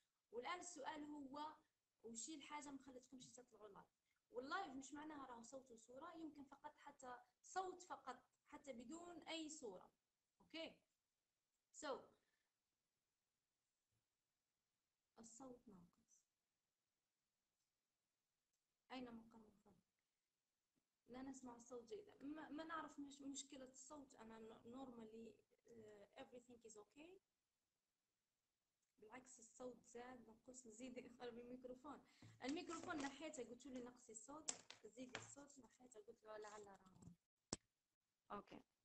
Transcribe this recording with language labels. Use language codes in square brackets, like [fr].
[ar] والان السؤال هو وشي الحاجه ما خلتكمش تطلعوا لايف؟ واللايف مش معناها راه صوت وصوره، يمكن فقط حتى صوت فقط حتى بدون اي صوره. اوكي سو الصوت ناقص، أين مقر فضلك؟ لا نسمع الصوت جيدا، ما نعرف مش مشكلة الصوت. أنا [en] normally everything is okay. [ar] بالعكس الصوت زاد، نقص نزيد اقرب الميكروفون. الميكروفون نحيته، قلت له نقصي الصوت، زيدي الصوت، نحيته قلت له لعل راهو اوكي.